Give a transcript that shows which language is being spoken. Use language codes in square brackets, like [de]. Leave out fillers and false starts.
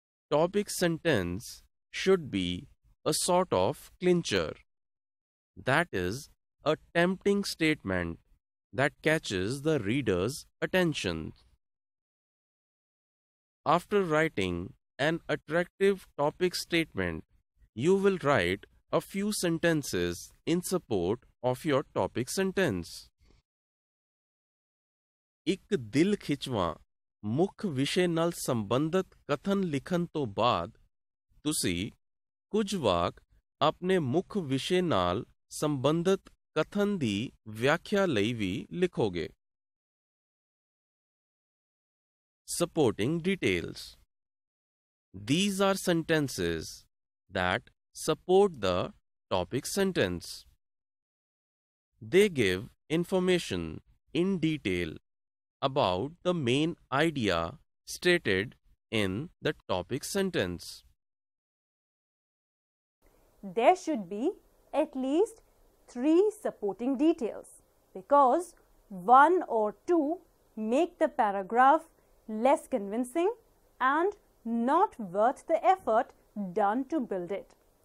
[en] Topic sentence should be a sort of clincher, that is, a tempting statement that catches the reader's attention. After writing an attractive topic statement, you will write a few sentences in support of your topic sentence. [pa] ਇੱਕ ਦਿਲ ਖਿੱਚਵਾਂ ਮੁੱਖ ਵਿਸ਼ੇ ਨਾਲ ਸੰਬੰਧਿਤ ਕਥਨ ਲਿਖਣ ਤੋਂ ਬਾਅਦ ਤੁਸੀਂ ਕੁਝ ਵਾਕ ਆਪਣੇ ਮੁੱਖ ਵਿਸ਼ੇ ਨਾਲ ਸੰਬੰਧਿਤ ਕਥਨ ਦੀ ਵਿਆਖਿਆ ਲਈ ਵੀ ਲਿਖੋਗੇ. [en] Supporting details. These are sentences that support the topic sentence. They give information in detail about the main idea stated in the topic sentence. There should be at least three supporting details, because one or two make the paragraph less convincing and not worth the effort done to build it.